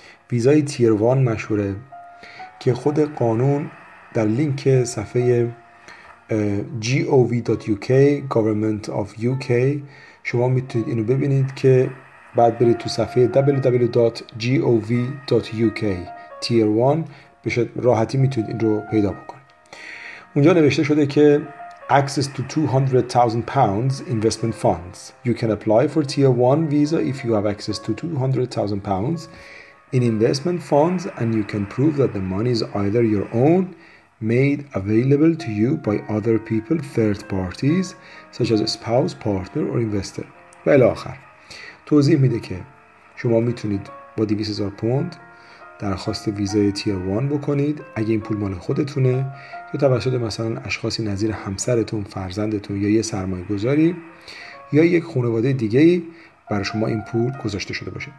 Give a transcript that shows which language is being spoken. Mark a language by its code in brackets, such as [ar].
[fa] ویزای تیر 1 مشهوره که خود قانون در لینک صفحه gov.uk [en] government of UK [fa] شما میتونید اینو ببینید، که بعد برید تو صفحه www.gov.uk تیر 1 به راحتی میتونید این رو پیدا بکنید. اونجا نوشته شده که [en] access to 200,000 pounds investment funds. You can apply for tier 1 visa if you have access to 200,000 pounds in investment funds and you can prove that the money is either your own, made available to you by other people, third parties such as a spouse, partner or investor. [fa] و الاخر توضیح میده که شما میتونید با 200,000 pound درخواست ویزای تیر 1 بکنید، اگه این پول مال خودتونه یا توسط مثلا اشخاصی نظیر همسرتون، فرزندتون یا یه سرمایه گذاری یا یک خانواده دیگه‌ای برای شما این پول گذاشته شده باشه.